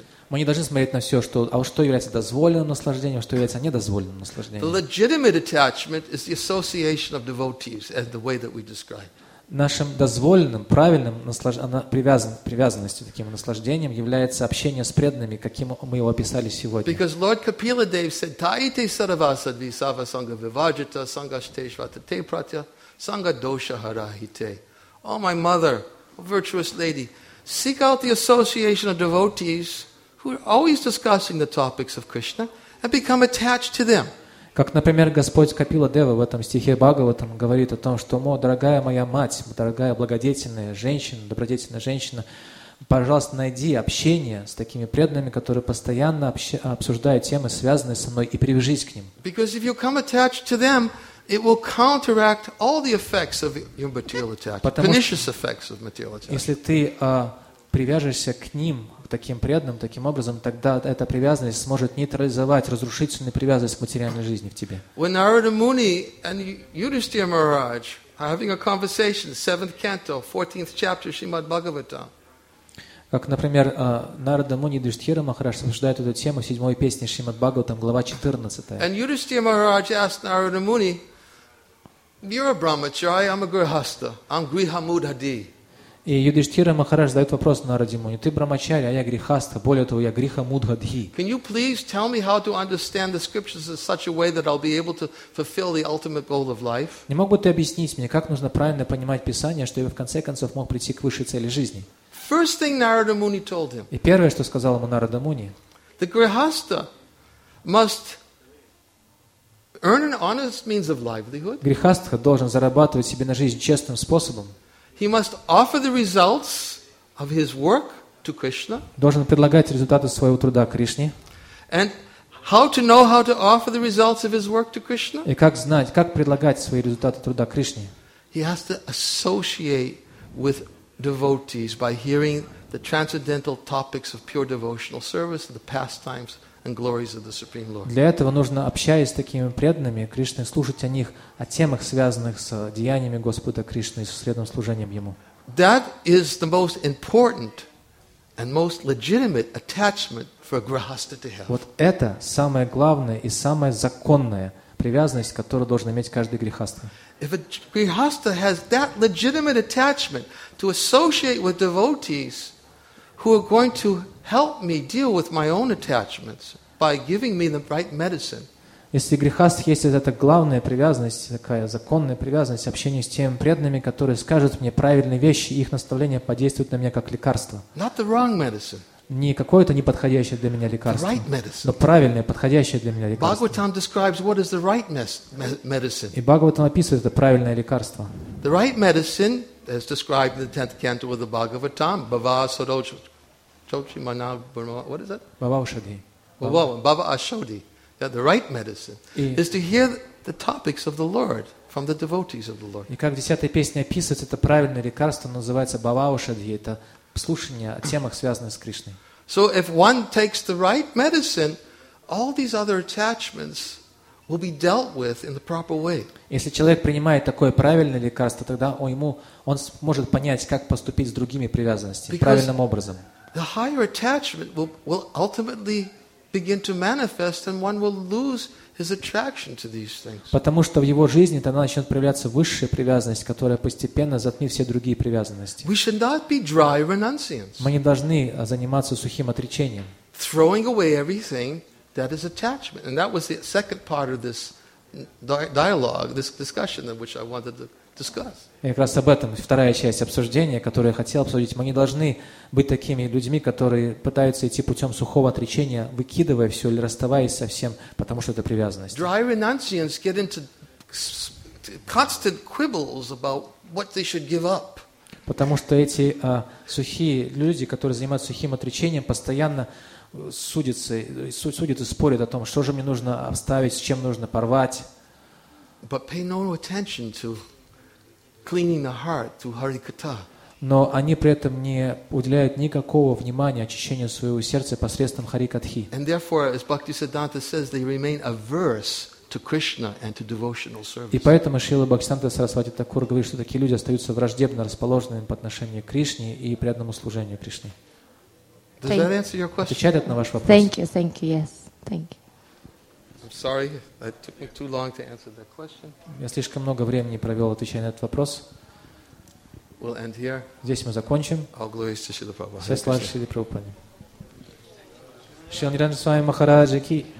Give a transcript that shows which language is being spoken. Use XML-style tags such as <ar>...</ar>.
<ru>Мы не должны смотреть на все, что является дозволенным наслаждением, что является недозволенным наслаждением.</ru> <en>The legitimate attachment is the association of devotees as the way that we describe.</en> <ru>Нашим дозволенным, правильным привязанностью, таким наслаждением является общение с преданными, каким мы его описали сегодня. Because Lord Kapila Dev said,</ru> <sa>Taite Saravasa Visava Sangha Vivajita Sangha Shteshvata Te Pratya Sangha Dosha Harahite.</sa> <ru>Oh, my mother, virtuous lady,</ru> <en>seek out the association of devotees who are always discussing the topics of Krishna and become attached to them.</en> <ru>Как, например, Господь Капила Дева в этом стихе Бхагаватам говорит о том, что, мо, дорогая моя мать, дорогая добродетельная женщина, пожалуйста, найди общение с такими преданными, которые постоянно обсуждают темы, связанные со мной, и привяжись к ним.</ru> <en>Because if you come attached to them, it will counteract all the effects of your material attachment, pernicious effects of material attachment.</en> <ru>Если ты привяжешься к ним, таким преданным, таким образом, тогда эта привязанность сможет нейтрализовать разрушительную привязанность к материальной жизни в тебе.</ru> <en>When Narada Muni and Yudhishthira Maharaj are having a conversation, 7th canto, 14th chapter, Srimad Bhagavatam.</en> <ru>Как, например, Нарада Муни и Юдхиштхира Махарадж обсуждают эту тему в 7-й песне Шримад Бхагаватам, глава 14.</ru> <en>And Yudhishthira Maharaj asked Narada Muni, you're a brahmacharya, I'm a grihastha, I'm grihamudhadi.</en> <ru>И Юдхиштхира Махарадж задает вопрос Нараде Муни: ты брамачари, а я грихаста, более того, я гриха мудхадхи.</ru> <en>Can you please tell me how to understand the scriptures in such a way that I'll be able to fulfill the ultimate goal of life?</en> <ru>Не мог бы ты объяснить мне, как нужно правильно понимать Писание, чтобы я в конце концов мог прийти к высшей цели жизни?</ru> <en>First thing Narada Muni told him.</en> <ru>И первое, что сказал ему Нарада Муни:</ru> <en>the grihastha must earn an honest means of livelihood.</en> <ru>Грихастха должен зарабатывать себе на жизнь честным способом.</ru> <en>He must offer the results of his work to Krishna.</en> <ru>Должен предлагать результаты своего труда Кришне.</ru> <en>And how to know how to offer the results of his work to Krishna?</en> <ru>И как знать, как предлагать свои результаты труда Кришне?</ru> <en>He has to associate with devotees by hearing the transcendental topics of pure devotional service and the pastimes and glories of the Supreme Lord.</en> <ru>Для этого нужно, общаясь с такими преданными Кришны, слушать о них, о темах, связанных с деяниями Господа Кришны и с средним служением Ему.</ru> <en>That is the most important and most legitimate attachment for a grihastha to have.</en> <ru>Вот это самое главное и самое законное привязанность, которую должен иметь каждый грихастха.</ru> <en>If a grihastha has that legitimate attachment to associate with devotees who are going to help me deal with my own attachments by giving me the right medicine.</en> <ru>Если грихастха есть эта главная привязанность, такая законная привязанность, общение с теми преданными, которые скажут мне правильные вещи, их наставления подействуют на меня как лекарство.</ru> <en>Not the wrong medicine.</en> <ru>Не какое-то неподходящее для меня лекарство,</ru> <en>right,</en> <ru>но правильное, подходящее для меня лекарство.</ru> <en>Bhagavatam describes what is the right medicine.</en> <ru>И Бхагаватам описывает это правильное лекарство.</ru> <en>The right medicine, as described in the 10th canto of the Bhagavatam,</en> <sa>bhava sodoch. Chochi mana burma,</sa> <en>what is that? Bhava ashodi. Bhava ashodi. Yeah, the right medicine is to hear the topics of the Lord from the devotees of the Lord.</en> <ru>И как в 10-й песне описывается, это правильное лекарство называется бхава ашодхи, это слушание о темах, связанных с Кришной.</ru> <en>So if one takes the right medicine, all these other attachments will be dealt with in the proper way.</en> <ru>Если человек принимает такое правильное лекарство, тогда он сможет понять, как поступить с другими привязанностями правильным образом.</ru> <en>The higher attachment will ultimately begin to manifest, and one will lose his attraction to these things.</en> <ru>Потому что в его жизни тогда начнет проявляться высшая привязанность, которая постепенно затмит все другие привязанности.</ru> <en>We should not be dry renunciants.</en> <ru>Мы не должны заниматься сухим отречением.</ru> <en>Throwing away everything that is attachment, and that was the second part of this dialogue, this discussion, which I wanted to discuss.</en> <ru>И как раз об этом вторая часть обсуждения, которую я хотел обсудить. Мы не должны быть такими людьми, которые пытаются идти путем сухого отречения, выкидывая все или расставаясь со всем, потому что это привязанность.</ru> <en>Dry renunciants get into constant quibbles about what they should give up.</en> <ru>Потому что эти сухие люди, которые занимаются сухим отречением, постоянно судят и спорят о том, что же мне нужно оставить, с чем нужно порвать.</ru> <en>But pay no attention to cleaning the heart through Harikatha.</en> <ru>Но они при этом не уделяют никакого внимания очищению своего сердца посредством Харикатхи.</ru> <en>And therefore, as Bhaktisiddhanta says, they remain averse to Krishna and to devotional service.</en> <ru>И поэтому Шрила Бхактисиддханта Сарасвати Такур говорит, что такие люди остаются враждебно расположенными по отношению к Кришне и преданному служению Кришне.</ru> <en>Does that answer your question?</en> <ru>Отвечает на ваш вопрос?</ru> <en>Thank you, yes. Thank you. Sorry, it took me too long to answer that question.</en> <ru>Я слишком много времени провел, отвечая на этот вопрос.</ru> <en>We'll end here.</en> <ru>Здесь мы закончим.</ru> <en>All glories to Srila Prabhupada.</en> <ru>Все славы Шриле Прабхупаде. Шри Нирандж Свами Махараджа Ки.</ru>